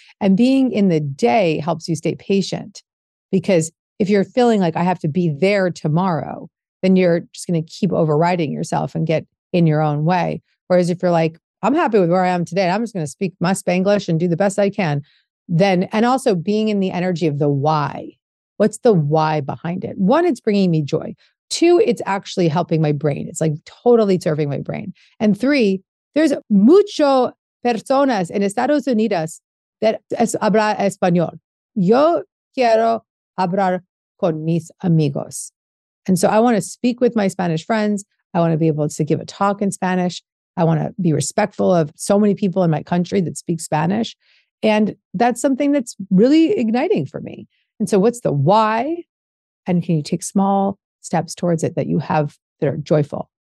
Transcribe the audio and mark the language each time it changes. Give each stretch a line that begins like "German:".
English: And being in the day helps you stay patient, because if you're feeling like I have to be there tomorrow, then you're just going to keep overriding yourself and get in your own way. Whereas if you're like, I'm happy with where I am today, and I'm just going to speak my Spanglish and do the best I can, then, and also being in the energy of the why. What's the why behind it? One, it's bringing me joy. Two, it's actually helping my brain. It's like totally serving my brain. And three, there's
Spanish: mucho personas en Estados Unidos
English: that
Spanish: habla español. Yo quiero hablar con mis amigos.
English: And so I want to speak with my Spanish friends. I want to be able to give a talk in Spanish. I want to be respectful of so many people in my country that speak Spanish. And that's something that's really igniting for me. And so what's the why? And can you take small steps towards it that you have that are joyful?